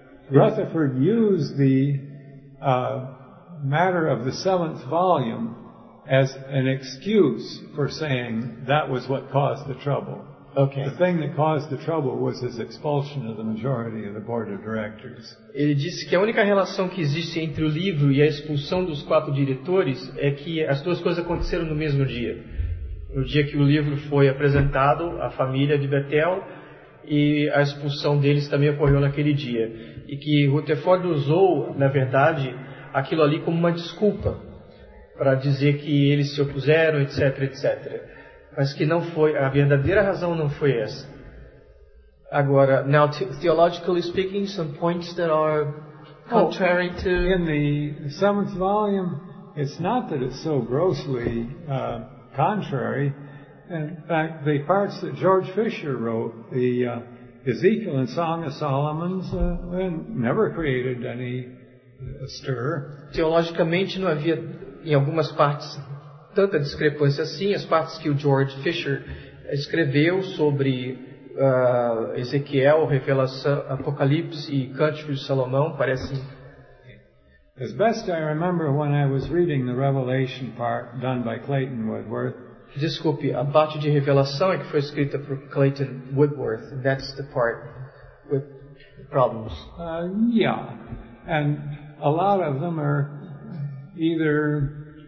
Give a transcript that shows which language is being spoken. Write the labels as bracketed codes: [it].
[en] Rutherford used the matter of the seventh volume as an excuse for saying that was what caused the trouble. Okay. The thing that caused the trouble was his expulsion of the majority of the board of directors. [pt] Ele disse que a única relação que existe entre o livro e a expulsão dos quatro diretores é que as duas coisas aconteceram no mesmo dia. No dia que o livro foi apresentado à família de Bethel e a expulsão deles também ocorreu naquele dia. E que Rutherford usou, na verdade, aquilo ali como uma desculpa para dizer que eles se opuseram, etc, etc. Mas que não foi, a verdadeira razão não foi essa. [en] Agora, now, theologically speaking, some points that are contrary to... In the seventh volume, it's not that it's so grossly contrary. In fact, the parts that George Fisher wrote, the Ezekiel and Song of Solomon's, never created any stir. [pt] Teologicamente, não havia, em algumas partes... tanta discrepância assim, as partes que o George Fisher escreveu sobre Ezequiel, Revelação, Apocalipse e Cântico de Salomão, parece... [en] As best I remember when I was reading the Revelation part done by Clayton Woodworth. [pt] Desculpe, a parte de Revelação é que foi escrita por Clayton Woodworth, [en] and that's the part with problems. Yeah, and a lot of them are either...